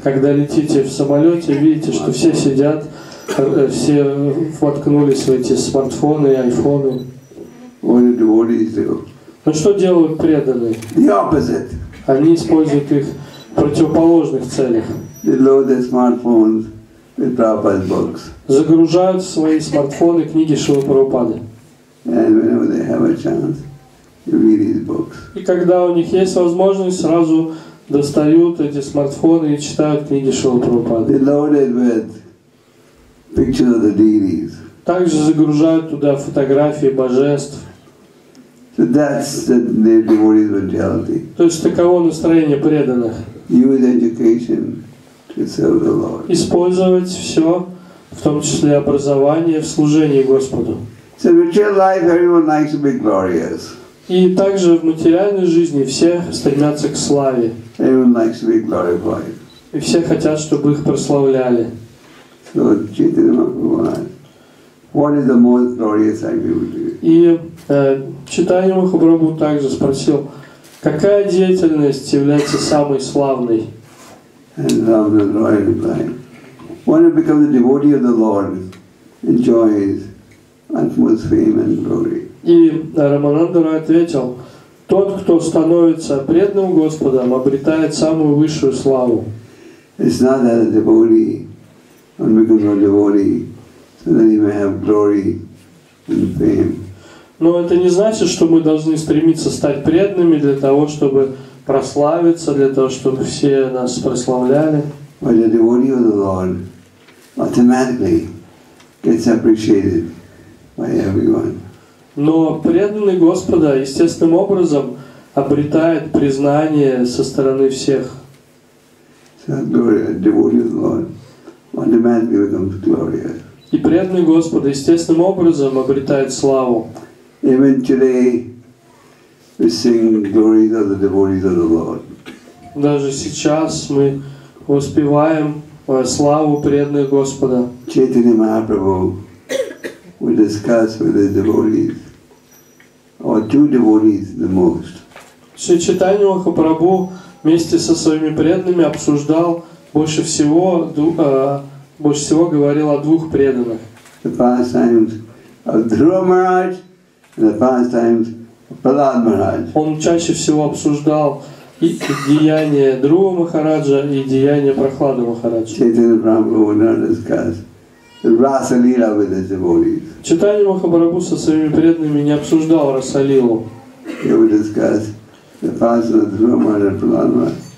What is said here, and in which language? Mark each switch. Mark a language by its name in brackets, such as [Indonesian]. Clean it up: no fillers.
[Russian] Когда летите в самолете, видите, что все сидят, все воткнулись в эти смартфоны и айфоны. [English] What do devotees do? [Russian] Ну что делают преданные? [English] The opposite. [Russian] Они используют их в противоположных целях. [English] They load their smartphones with Prabhupada's books. [Russian] Загружают в свои смартфоны книги Шрилы Прабхупады. [English] And whenever they have a chance, they read these books. [Russian] И когда у них есть возможность, сразу достают эти смартфоны и читают книги Шрилы Прабхупады. [English] They load it with pictures of the deities. [Russian] Также загружают туда фотографии божеств. [English] So that's the devotee's mentality. [Russian] То есть таково настроение преданных. [English] Use education to serve the Lord. [Russian] Использовать все, в том числе образование, в служении Господу. [English] So in material life, everyone likes to be glorious. [Russian] И также в материальной жизни все стремятся к славе. [English] Everyone likes to be glorified. [Russian] И все хотят, чтобы их прославляли. [English] So Chaitanya Mahaprabhu. What is the most glorious activity? [Russian] И Чайтанья Махапрабху также спросил, какая деятельность является самой славной? [English] And Ramana Roy replied, one who becomes a devotee of the Lord enjoys utmost fame and glory. [Russian] И Рамананда Рой ответил, тот, кто становится преданным Господом, обретает самую высшую славу. [English] It's not that a devotee, one becomes a devotee, and then he may have glory and fame. [Russian] Но это не значит, что мы должны стремиться стать преданными для того, чтобы прославиться, для того, чтобы все нас прославляли. [English] But a devotee of the Lord automatically gets appreciated by everyone. [Russian] Но преданный Господа естественным образом обретает признание со стороны всех. [English] So a devotee of the Lord automatically becomes glorious. [Russian] И преданный Господа естественным образом обретает славу. [English] Even today we sing glories of the devotees of the Lord. [Russian] Даже сейчас мы воспеваем славу преданных Господа. [English] Chaitanya Mahaprabhu will discuss with his devotees or two devotees the most. [Russian] Шри Чайтанья Махапрабху вместе со своими преданными обсуждал больше всего больше всего говорил о двух преданных. [English] The past times of Dhruva Maharaj and the past times of Prahlad Maharaj. [Russian] Он чаще всего обсуждал и деяния Дхрува Махараджа, и деяния Прахлады Махараджа. [English] Chaitanya Mahaprabhu would not discuss the Rasa Lila with his devotees. [Russian] Чайтанья Махапрабху со своими преданными не обсуждал Раса Лилу. [English] He would discuss the past of Dhruva Maharaj and Prahlad Maharaj.